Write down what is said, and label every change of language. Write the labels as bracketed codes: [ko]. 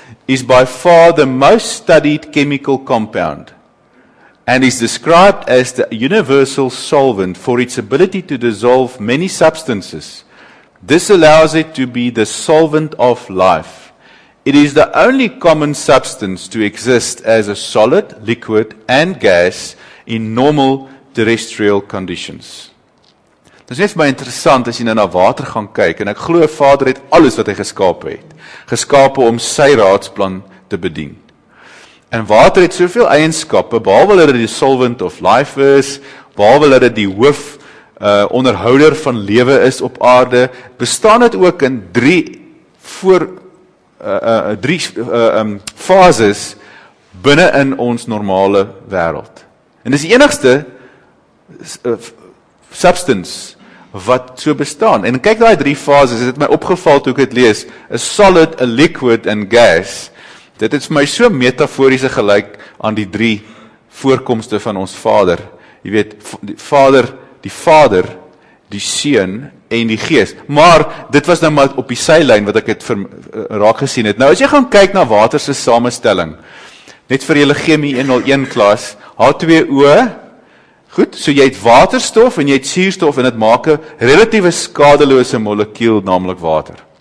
[en] Is by far the most studied chemical compound and is described as the universal solvent for its ability to dissolve many substances. This allows it to be the solvent of life. It is the only common substance to exist as a solid, liquid and gas in normal terrestrial conditions. [af] Dit is net baie interessant as jy nou na water gaan kyk en ek glo Vader het alles wat hy geskape het, geskape om sy raadsplan te bedien. En water het soveel eienskappe, behalwe dat dit die [en] solvent of life [af] is, behalwe dat dit die hoof onderhouder van lewe is op aarde, bestaan dit ook in drie fases binne in ons normale wêreld. En dis die enigste substance wat so bestaan. En kyk daai drie fases, dit het my opgeval toe ek het lees, [en] a solid, a liquid and gas. [af] Dit het vir my so metaforiese gelyk aan die drie voorkomste van ons Vader. Jy weet, Vader, die Vader, die Seun en die Gees. Maar dit was nou maar op die sylyn wat ek het raak gesien het. Nou as jy gaan kyk na water se samestelling, net vir julle chemie 101 klas, H2O, goed, so jy het waterstof en jy het suurstof en dit maak 'n relatiewe skadelose molekuul, naamlik water.